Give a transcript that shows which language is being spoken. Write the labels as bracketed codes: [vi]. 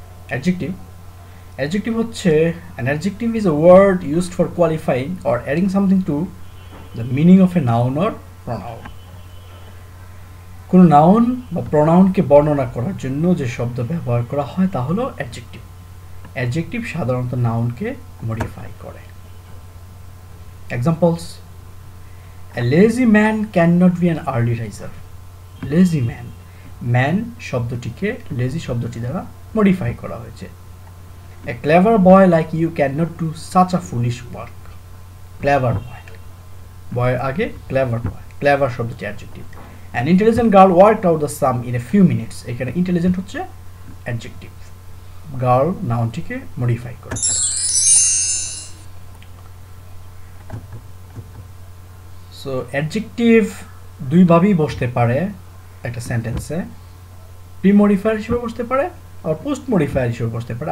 [en] Adjective, adjective হচ্ছে an adjective is a word used for qualifying or adding something to the meaning of a noun or pronoun. [bn] কোনো noun বা প্রোনাউনকে বর্ণনা করার জন্য যে শব্দ ব্যবহার করা হয় তা হলো অ্যাডজেক্টিভ. অ্যাডজেক্টিভ সাধারণত নাউনকে মডিফাই করে. [en] Examples, A lazy man cannot be an early riser. Lazy man. [bn] Man শব্দটিকে lazy শব্দটি দ্বারা মডিফাই করা হয়েছে. [en] A clever boy like you cannot do such a foolish work. Clever boy. Boy আগে clever boy. Clever শব্দটি adjective. An intelligent girl worked out the sum in a few minutes. [bn] এখানে intelligent হচ্ছে adjective. Girl নাউনটিকে modify করেছে. So adjective দুইভাবেই বসতে পারে একটা সেন্টেন্সে, pre modifier হিসেবে বসতে পারে আর পোস্ট মডিফায়ার হিসেবে বসতে পারে.